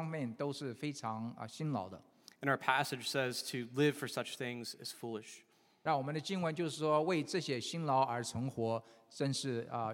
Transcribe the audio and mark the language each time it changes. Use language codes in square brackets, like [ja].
[zh] 追求成功是在很多方面都是非常辛劳的。 [en] And our passage says to live for such things is foolish. [zh] 让我们的经文就是说为这些辛劳而存活, 真是,